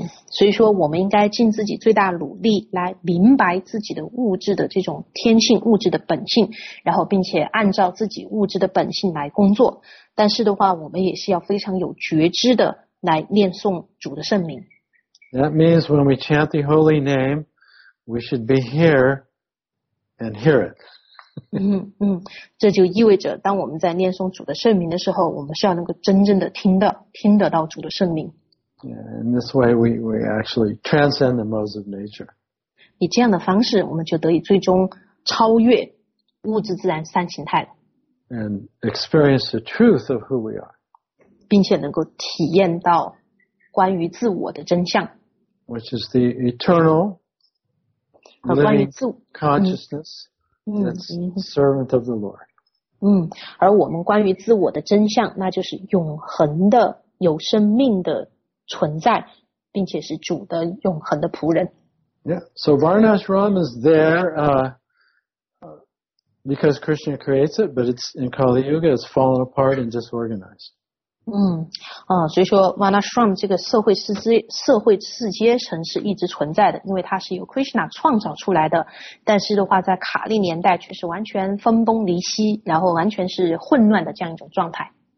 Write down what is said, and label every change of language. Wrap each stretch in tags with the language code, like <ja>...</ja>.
<zh>所以说我们应该尽自己最大努力来明白自己的物质的这种天性，物质的本性，然后并且按照自己物质的本性来工作。但是的话，我们也是要非常有觉知的来念诵主的圣名。</zh> <en>That means when we chant the holy name, we should be here and hear it.</en> <zh>这就意味着当我们在念诵主的圣名的时候，我们是要能够真正的听得到主的圣名。</zh> <en>Yeah, in this way, we actually transcend the modes of nature.</en> <zh>以这样的方式，我们就得以最终超越物质自然三形态了。</zh> <en>And experience the truth of who we are.</en> <zh>并且能够体验到关于自我的真相。</zh> <en>Which is the eternal living consciousness. That's servant of the Lord.</en> <zh>而我们关于自我的真相，那就是永恒的、有生命的存在，并且是主的永恒的仆人。</zh> <en>Yeah, so Varnashram is there because Krishna creates it, but it's in Kali Yuga, it's fallen apart and disorganized.</en> <zh>所以说 Varnashram 这个社会世界城市一直存在的，因为它是由 Krishna 创造出来的，但是的话在卡利年代却是完全分崩离析，然后完全是混乱的这样一种状态。</zh>